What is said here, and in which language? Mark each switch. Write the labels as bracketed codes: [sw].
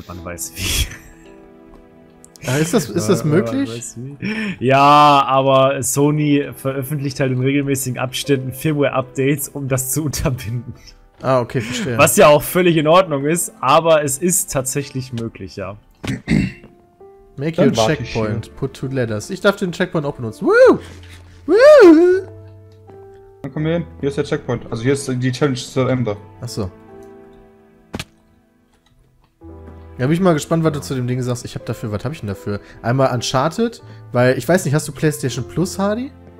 [de] Damit man weiß, wie. Ja, ist das möglich? Ja, aber Sony veröffentlicht halt in regelmäßigen Abständen Firmware-Updates, um das zu unterbinden. Ah, okay, verstehe. Was ja auch völlig in Ordnung ist, aber es ist tatsächlich möglich, ja. [en] Make your checkpoint, put two letters. [de] Ich darf den Checkpoint auch benutzen. Woo! Woo! Dann komm hier hin. Hier ist der Checkpoint. Also hier ist die Challenge zu Ende. Achso. Ja, bin ich mal gespannt, was du zu dem Ding sagst. Ich hab dafür, was hab ich denn dafür? Einmal Uncharted, weil, ich weiß nicht, hast du PlayStation Plus, Hardy?